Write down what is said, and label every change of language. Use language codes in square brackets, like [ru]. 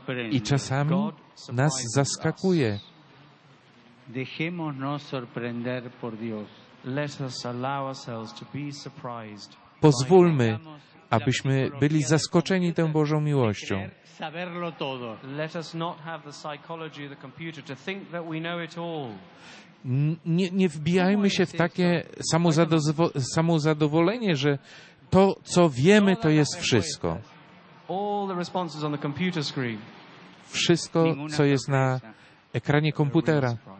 [pl] I czasami nas zaskakuje. [es] Dejémonos sorprender por Dios. [en] Let us allow ourselves to be surprised. [pl] Pozwólmy, abyśmy byli zaskoczeni tą Bożą miłością. [en] Let us not have the psychology of the computer to think that we know it all. [pl] Nie wbijajmy się w takie samozadowolenie, że to, co wiemy, to jest wszystko. [en] All the responses on the computer screen. [pl] Wszystko, co jest na ekranie komputera.